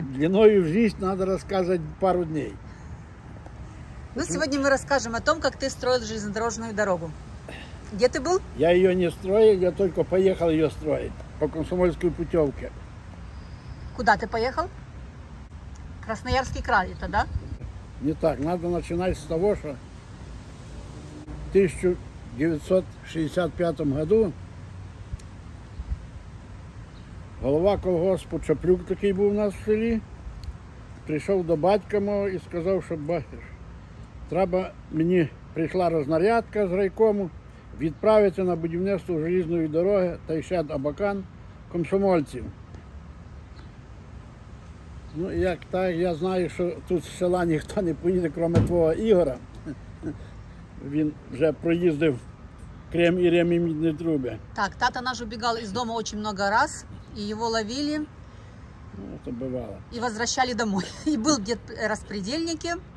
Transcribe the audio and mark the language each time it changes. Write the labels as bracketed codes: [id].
[ru] Длиною в жизнь надо рассказывать пару дней. Ну, сегодня мы расскажем о том, как ты строил железнодорожную дорогу. Где ты был? Я ее не строил, я только поехал ее строить по комсомольской путевке. Куда ты поехал? Красноярский край это, да? Не так, надо начинать с того, что в 1965 году [uk] голова колгоспу Чаплюк такий був у нас в селі, прийшов до батька мого і сказав, що бачиш, треба мені, прийшла рознарядка з райкому, відправити на будівництво железної дороги та ще Абакан комсомольців. Ну, як так, я знаю, що тут з села ніхто не поїде, крім твого Ігора. Він вже проїздив крем і рем і мідні труби. Так, тата наш убігав із дому дуже багато разів. [ru] И его ловили. Ну, это бывало. И возвращали домой. И был где-то распредельники.